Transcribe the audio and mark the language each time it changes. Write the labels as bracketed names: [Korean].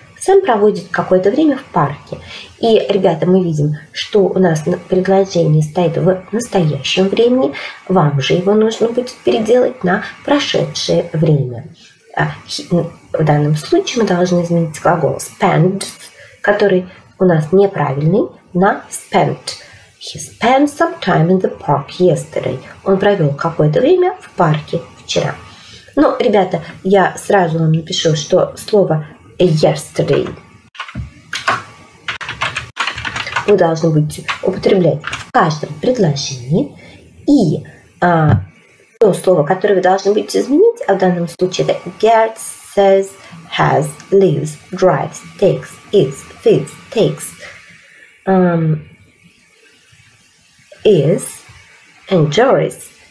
[Russian] Сэм проводит какое-то время в парке. И, ребята, мы видим, что у нас предложение стоит в настоящем времени. Вам же его нужно будет переделать на прошедшее время. В данном случае мы должны изменить глагол spend, который у нас неправильный, на spent. [English] He spent some time in the park yesterday. [Russian] Он провел какое-то время в парке вчера. Ну, ребята, я сразу вам напишу, что слово yesterday вы должны будете употреблять в каждом предложении. И то слово, которое вы должны будете изменить, а в данном случае это [English] gets, says, has, lives, drives, takes, eats, feeds, takes, is, enjoys.